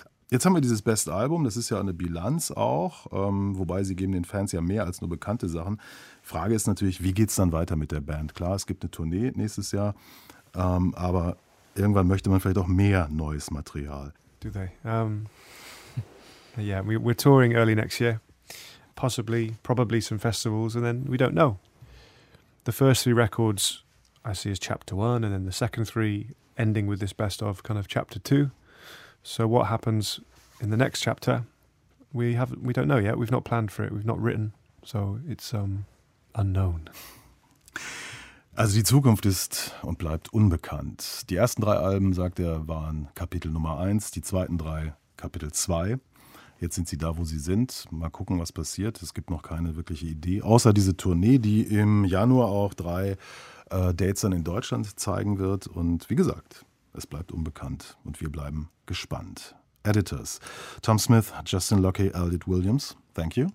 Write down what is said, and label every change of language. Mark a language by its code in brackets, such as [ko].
[de] Jetzt haben wir dieses Best-Album. Das ist ja eine Bilanz auch. Wobei sie geben den Fans ja mehr als nur bekannte Sachen. Frage ist natürlich, wie geht es dann weiter mit der Band? Klar, es gibt eine Tournee nächstes Jahr. Aber irgendwann möchte man vielleicht auch mehr neues Material. [en] Do they? We're touring early next year. Possibly, probably some festivals, and then we don't know. The first three records I see as chapter one, and then the second three ending with this best of kind of chapter two. So what happens in the next chapter? We don't know yet. We've not planned for it. We've not written. So it's unknown. [de] Also die Zukunft ist und bleibt unbekannt. Die ersten drei Alben, sagt er, waren Kapitel Nummer 1, die zweiten drei Kapitel 2. Jetzt sind sie da, wo sie sind. Mal gucken, was passiert. Es gibt noch keine wirkliche Idee, außer diese Tournee, die im Januar auch drei Dates dann in Deutschland zeigen wird. Und wie gesagt, Es bleibt unbekannt und wir bleiben gespannt. [en] Editors: Tom Smith, Justin Lockey, Elliot Williams. Thank you.